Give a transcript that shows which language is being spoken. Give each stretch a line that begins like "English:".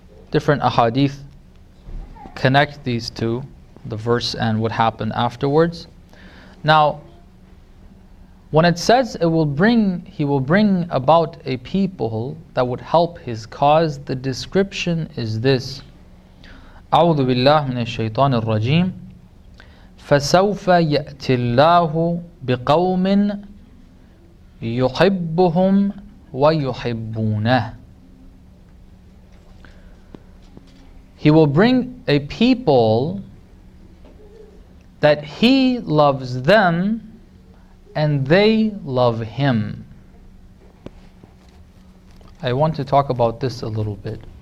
English: Different ahadith connect these two, the verse and what happened afterwards. Now, when it says he will bring about a people that would help his cause, the description is this.
Arabic: أعوذ بالله من الشيطان الرجيم فسوف يأتي الله بقوم يحبهم ويحبونه.
English: He will bring a people that he loves them and they love him. I want to talk about this a little bit.